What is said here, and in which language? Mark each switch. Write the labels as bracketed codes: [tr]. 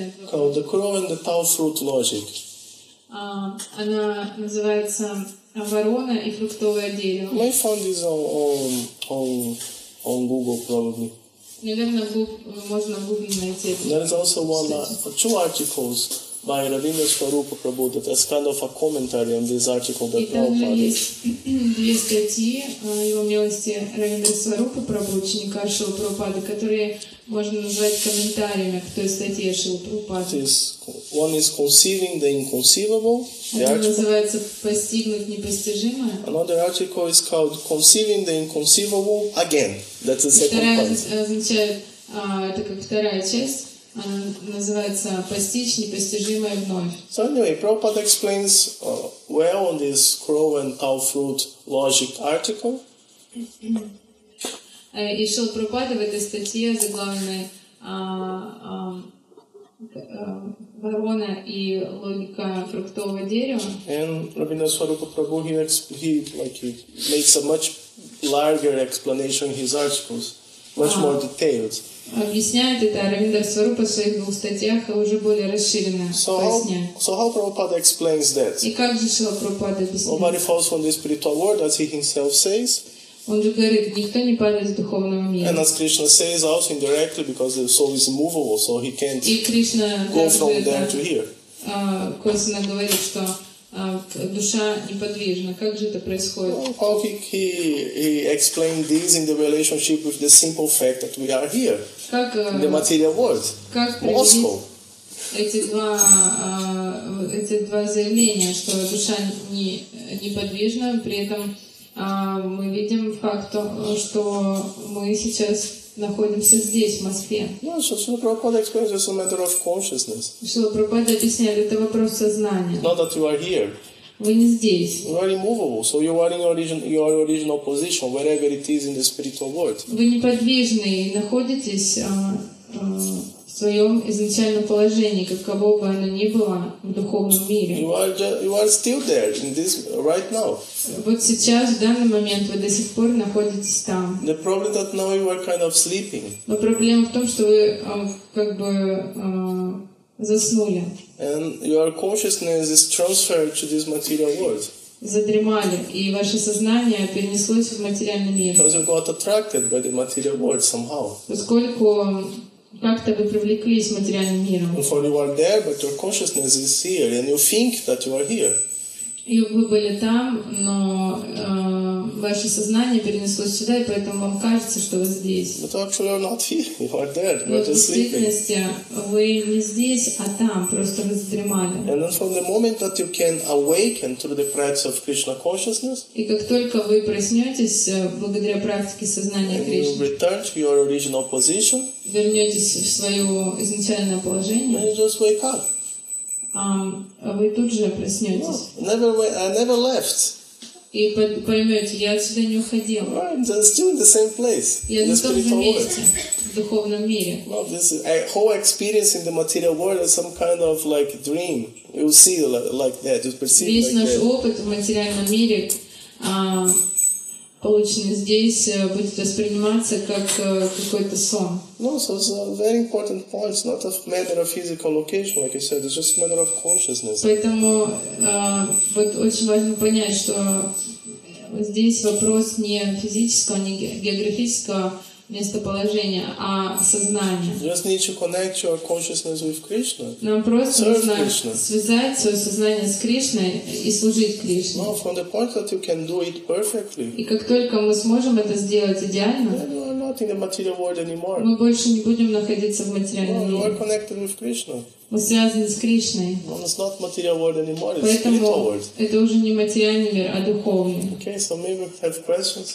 [en] Called the Crow and the Tau Fruit Logic. [ru] Она называется «Ворона и фруктовое дерево». [en] May find this on Google, probably. [ru] Наверное, можно в Google найти. [en] There is also two articles by Ravindra Swarupa Prabhu that is kind of a commentary on this article that Prabhupada wrote. [ru] И также есть две статьи его милости Равиндра Сварупы Прабху, ученика Шрилы Прабхупады, которые можно назвать комментариями к той статье Шрилы Прабхупады. [en] One is conceiving the inconceivable. The article. [ru] Называется «Постигнуть непостижимое». [en] Another article is called conceiving the inconceivable again. That's the second part. [ru] Вторая означает, это как вторая часть. Называется «Постичь непостижимое вновь». [en] So anyway, Prabhupada explains well on this crow and cow fruit logic article. [ru] И Шрила Прабхупада в этой статье заглавной «Ворона и логика фруктового дерева». [en] And Ravindra Swarupa Prabhu, he makes a much larger explanation in his articles, much more detailed. [ru] Объясняет это Равиндра Сварупа в своих двух статьях, а уже более расширенно [en] So how Prabhupada explains that? [ru] И как же Шрила Прабхупада объясняет? [en] Nobody falls from the spiritual world, as he himself says. [ru] Он же говорит, никто не падает с духовного мира. [en] And as Krishna says also indirectly, because the soul is immovable, so he can't Krishna, go from there to here. [ru] Косвенно говорит, что душа неподвижна. Как же это происходит? [en] Well, how he explained this in the relationship with the simple fact that we are here, in the material world, Moscow. [ru] Эти два заявления, что душа неподвижна, при этом мы видим факт, что мы сейчас находимся здесь, в Москве. [en] Шрила Прабхупада explains it's a matter of consciousness. [ru] Шрила Прабхупада объясняет, это вопрос сознания. [en] Not that you are here. [ru] Вы не здесь. [en] You are immovable, so you are in your original position, wherever it is in the spiritual world. [ru] Вы неподвижны и находитесь в своем изначальном положении, каково бы оно ни было в духовном мире. [en] You are still there in this right now. [ru] Вот сейчас, в данный момент, вы до сих пор находитесь там. [en] The problem that now you are kind of sleeping. [ru] Но проблема в том, что вы заснули. [en] And your consciousness is transferred to this material world. [ru] Задремали, и ваше сознание перенеслось в материальный мир. [en] Because you got attracted by the material world somehow. [ru] Поскольку как-то вы привлеклись материальным миром. [en] And for you are there, but your consciousness is here, and you think that you are here. [ru] И вы были там, но ваше сознание перенеслось сюда, и поэтому вам кажется, что вы здесь. [en] But actually you're not here. You are there. You're just sleeping. [ru] В действительности вы не здесь, а там. Просто вы задремали. [en] And then from the moment that you can awaken through the practice of Krishna consciousness, [ru] и как только вы проснетесь благодаря практике сознания Кришны, [en] you return to your original position, [ru] вернетесь в свое изначальное положение, [en] and you just wake up. [ru] Вы тут же проснетесь. [en] No, never, I never left. [ru] И поймете, я отсюда не уходил. [en] I'm still in the same place. [ru] Я на том же месте, в духовном мире. [en] Well, this whole experience in the material world is some kind of like dream. You see like that, you perceive like that. [ru] Весь наш опыт в материальном мире, полученный здесь, будет восприниматься как какой-то сон. [en] No, so it's a very important point. It's not a matter of physical location, like I said. It's just a matter of consciousness. [ru] Поэтому вот очень важно понять, что здесь вопрос не физического, не географического местоположения, а сознания. [en] You just need to connect your consciousness with Krishna. [ru] Нам просто нужно связать свое сознание с Кришной и служить Кришне. [en] No, from the point that you can do it perfectly. [ru] И как только мы сможем это сделать идеально, [en] not in the material world anymore. [ru] Мы больше не будем находиться в материальном мире. [en] No, we're connected with Krishna. [ru] Мы связаны с Кришной. [en] No, it's not material world anymore. [ru] Поэтому [en] it's spiritual world. [ru] Это уже не материальный мир, а духовный. [en] Okay, so maybe we have questions.